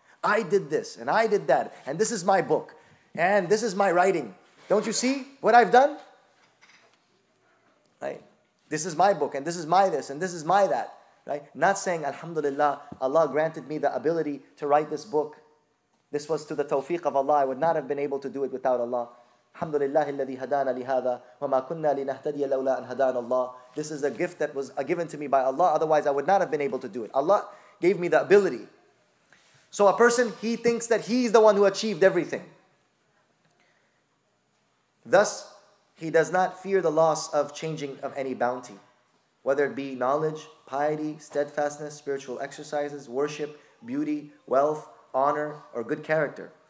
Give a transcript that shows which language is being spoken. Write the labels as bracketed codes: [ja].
[en] I did this and I did that and this is my book and this is my writing. Don't you see what I've done? Right? This is my book and this is my this and this is my that. Right? Not saying, Alhamdulillah, Allah granted me the ability to write this book. This was to the tawfiq of Allah. I would not have been able to do it without Allah. [ar] Alhamdulillah الذي هدانا لهذا وما كنا لنهتدي لولا أن هدانا الله. [en] This is a gift that was given to me by Allah. Otherwise, I would not have been able to do it. Allah gave me the ability. So a person, he thinks that he's the one who achieved everything. Thus, he does not fear the loss of changing of any bounty, whether it be knowledge, piety, steadfastness, spiritual exercises, worship, beauty, wealth, honor, or good character.